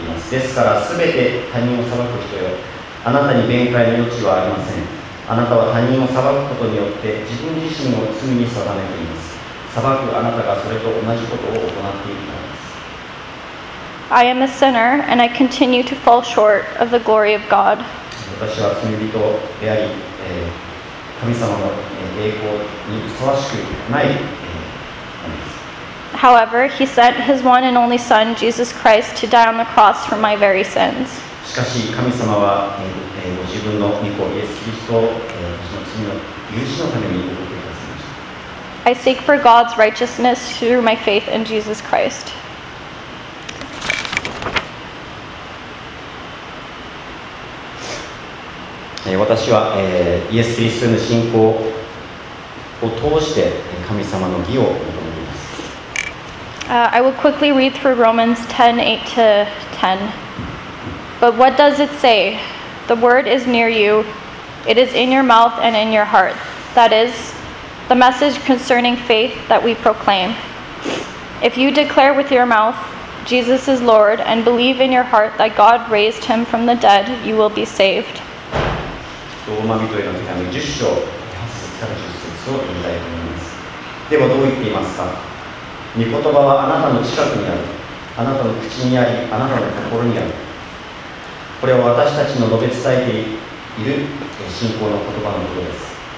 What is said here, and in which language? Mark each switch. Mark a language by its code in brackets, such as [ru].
[ja] ですから、すべて他人を裁く人よ。あなたに弁解の余地はありません。あなたは他人を裁くことによって、自分自身を罪に定めています。裁くあなたがそれと同じことを行っているからです。 [en] I am a sinner, and I continue to fall short of the glory of God. [ja] 私は罪人であり、神様の栄光にふさわしくない、 [en] However, he sent his one and only son, Jesus Christ, to die on the cross for my very sins. [ja] しかし神様は、自分の御子イエス・キリストを、私の罪の許しのために送ってくださいました。 [en] I seek for God's righteousness through my faith in Jesus Christ. [ja] 私は、イエス・キリストの信仰を通して神様の義を求めています。 [en] I will quickly read through Romans 10:8-10. But what does it say? The word is near you. It is in your mouth and in your heart. That is, the message concerning faith that we proclaim. If you declare with your mouth, Jesus is Lord, and believe in your heart that God raised him from the dead, you will be saved. [ja] ローマ人への手紙10章8節から10節を読みたいと思います。ではどう言っていますか。御言葉はあなたの近くにある、あなたの口にあり、あなたの心にある。これは私たちの述べ伝えている信仰の言葉のことです。